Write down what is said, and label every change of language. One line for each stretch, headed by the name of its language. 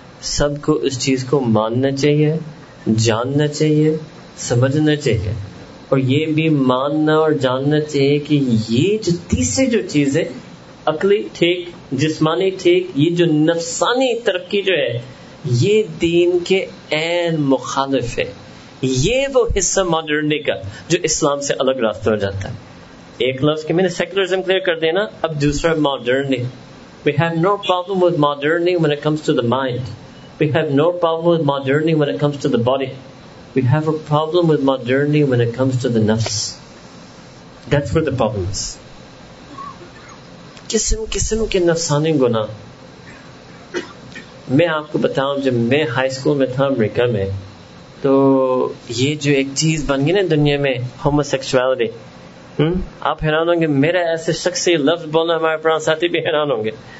Urdu: سب کو اس چیز کو ماننا چاہیے, جاننا چاہیے, سمجھنا چاہیے, اور یہ بھی ماننا اور جاننا چاہیے کہ یہ جو تیسری جو چیز ہے, عقلی ٹھیک, جسمانی ٹھیک, یہ جو نفسانی ترقی جو ہے, یہ دین کے عین مخالف ہے. یہ وہ حصہ ماڈرنٹی کا جو اسلام سے الگ راستہ ہو جاتا ہے. ایک لفظ کہ میں نے سیکولرزم کلیئر کر دینا, اب دوسرا modernity.
English: We have no problem with modernity when it comes to the mind. We have no problem with modernity when it comes to the body. We have a problem with modernity when it comes to the nafs. That's where the problem is.
Urdu: قسم قسم کے نفسانی گناہ. میں آپ کو بتاؤں, جب میں high school میں تھا America میں, تو یہ جو ایک چیز بن گئی نا دنیا میں, homosexuality. آپ حیران ہوں گے میرا ایسے شخص سے لفظ بولنا, ہمارے پرانے ساتھی بھی حیران ہوں گے.